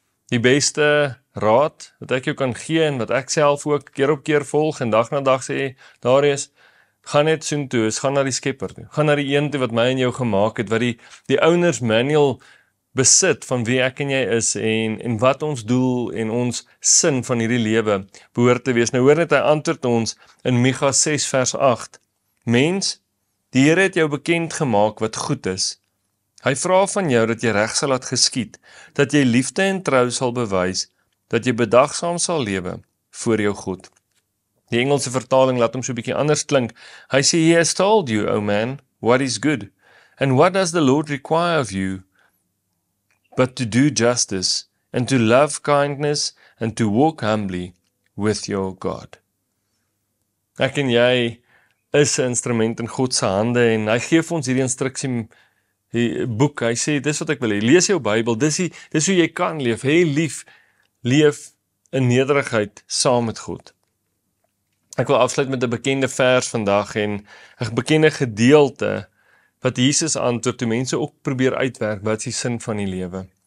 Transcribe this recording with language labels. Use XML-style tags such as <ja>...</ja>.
<af>Die beste raad wat ek jou kan gee en wat ek self ook keer op keer volg en dag na dag sê, daar is, gaan net soen toe, is gaan na die skepper toe, gaan na die een toe wat my en jou gemaak het, wat die owners manual besit van wie ek en jy is en wat ons doel en ons sin van hierdie lewe behoort te wees. Nou hoor net, hy antwoord ons in Micha 6 vers 8, mens, die Here het jou bekend gemaak wat goed is. Hy vra van jou dat jy reg sal laat geskied, dat jy liefde en trou sal bewys, dat jy bedagsaam sal lewe voor jou God. Die Engelse vertaling laat hom so 'n bietjie anders klink. Hy sê,</af> <en>He has told you, O man, what is good, and what does the Lord require of you, but to do justice, and to love kindness, and to walk humbly with your God.</en> <af>Ek en jy is 'n instrument in God se hande, en hy gee vir ons hierdie instruksie, die boek, hy sê, dis wat ek wil hê, lees jou Bybel, dis hoe jy kan leef, hê lief, leef in nederigheid saam met God. Ek wil afsluit met 'n bekende vers vandag, en 'n bekende gedeelte, wat Jesus antwoord, toe mense ook probeer uitwerk, wat is die sin van die lewe.</af>